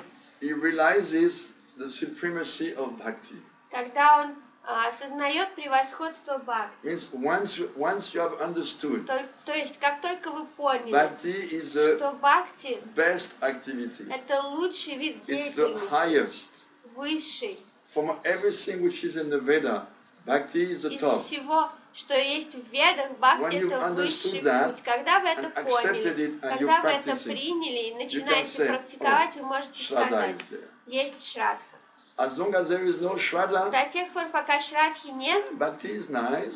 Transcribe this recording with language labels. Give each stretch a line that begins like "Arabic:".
English: When he realizes the supremacy of bhakti.
Russian: Когда он осознает превосходство Бхакти.
English: Means once you have understood.
Russian: То есть как только вы поняли.
English: Bhakti is the best activity.
Russian: Это лучший вид деятельности.
English: It's the highest.
Russian: Высший.
English: From everything which is in the Veda, Bhakti is the top.
Russian: Из всего, что есть в Ведах, Бхакти это высший путь. Когда вы это поняли, когда вы это приняли и начинаете практиковать, вы можете сказать, есть Шрадха.
English: As long as there is no Shraddha,
Russian: до тех пор, пока Шрадхи нет,
English: Bhakti is nice,